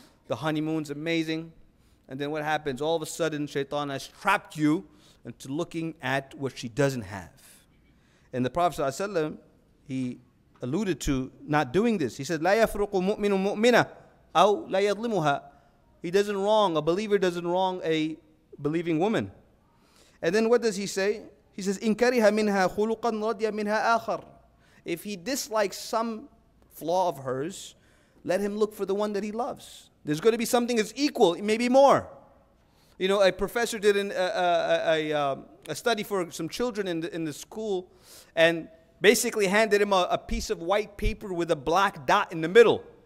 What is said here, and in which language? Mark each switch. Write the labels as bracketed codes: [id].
[en] The honeymoon's amazing. And then what happens? All of a sudden, shaitan has trapped you into looking at what she doesn't have. And the Prophet ﷺ, he alluded to not doing this. He said, [ar] لا يفرق مؤمن مؤمنة أو لا يظلمها. [en] He doesn't wrong. A believer doesn't wrong a believing woman. And then what does he say? He says, [ar] إن كره منها خلقا رضي منها آخر. [en] If he dislikes some flaw of hers, let him look for the one that he loves. There's going to be something that's equal, maybe more. You know, a professor did a study for some children in the school and basically handed him a piece of white paper with a black dot in the middle.